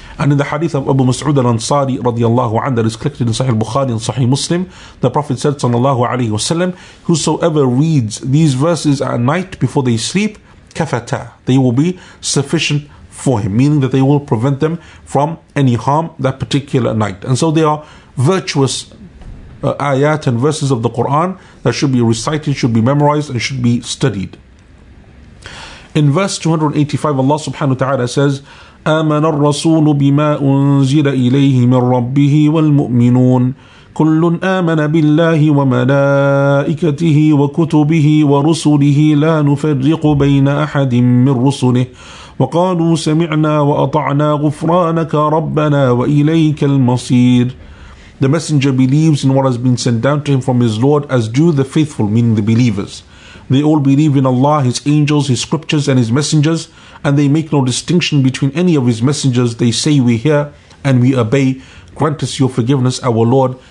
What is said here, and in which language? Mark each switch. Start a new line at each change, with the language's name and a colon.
English: And in the hadith of Abu Mas'ud al-Ansari radiyallahu anhu, that is collected in Sahih Bukhari and Sahih Muslim, the Prophet said, sallallahu alayhi wasallam, whosoever reads these verses at night before they sleep, kafata, they will be sufficient for him, meaning that they will prevent them from any harm that particular night. And so they are virtuous ayat and verses of the Quran that should be recited, should be memorized, and should be studied. In verse 285, Allah subhanahu wa ta'ala says,
Arabic: آمن الرسول بما أنزل إليه من ربه والمؤمنون كل آمن بالله وملائكته وكتبه ورسله لا نفرق بين أحد من رسله وقالوا سمعنا وأطعنا غفرانك ربنا وإليك المصير.
English: The messenger believes in what has been sent down to him from his Lord, as do the faithful, meaning the believers. They all believe in Allah, His angels, His scriptures, and His messengers, and they make no distinction between any of His messengers. They say, we hear and we obey. Grant us your forgiveness, our Lord.